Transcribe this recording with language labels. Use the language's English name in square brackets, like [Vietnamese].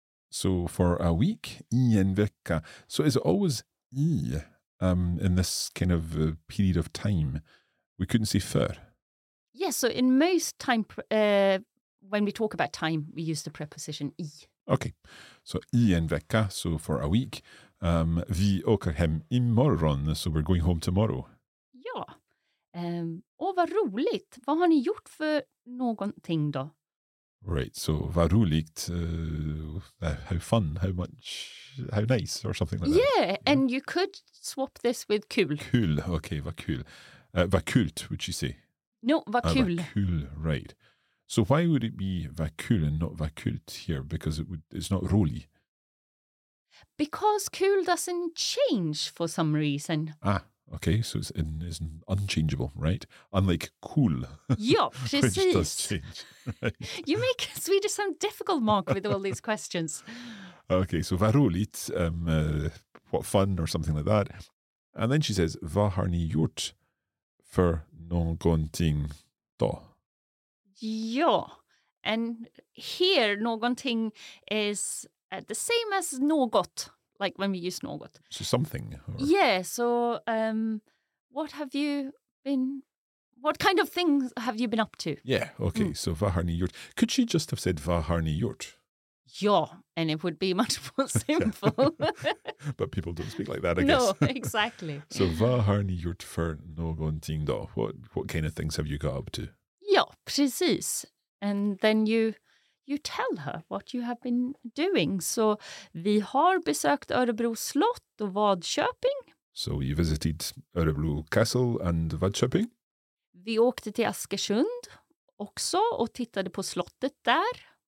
[English] So for a week, [Swedish] i en vecka. [English] So is it always i in this kind of period of time? We couldn't say för. Yes, so in most time, when we talk about time, we use the preposition i. Okay, so [Swedish] i en vecka, [English] so for a week. [Swedish] Vi åker hem imorgon, [English] so we're going home tomorrow. [Swedish] Ja, och vad roligt. Vad har ni gjort för någonting då? [English] Right, so [Swedish] vad roligt, [English] how fun, how much, how nice, or something like yeah, that. Yeah, and you could swap this with kul. [Swedish] Kul, okay, vad kul. Vad kult, [English] would you say? [Swedish] No, vad kul. Vad kul, right. [English] So why would it be [Swedish] vad kul [English] and not [Swedish] vad kult [English] here? Because it's not roligt. Because kul doesn't change for some reason. Ah, okay, so it's unchangeable, right? Unlike cool. [Swedish] Ja, precis. [English] Which does change. You make Swedish sound difficult, Mark, with all these questions. Okay, so [Swedish] vad roligt, [English] what fun or something like that. And then she says, [Swedish] vad har ni gjort för någonting då? [English] Ja, and here någonting is the same as något. Like when we use något. So something. Or... Yeah, so what have you been, what kind of things have you been up to? Yeah, okay, so [Swedish] vad har ni gjort? [English] Could she just have said [Swedish] vad har ni gjort? [English] Ja, and it would be much more simple. But people don't speak like that, I guess. No, exactly. [Swedish] So vad har ni gjort för någonting då? [English] What kind of things have you got up to? [Swedish] Ja, precis. [English] And then you tell her what you have been doing. [Swedish] So, vi har besökt Örebro slott och Vadköping. [English] So, you visited Örebro castle and Vadköping. [Swedish] Vi åkte till Askersund också och tittade på slottet där.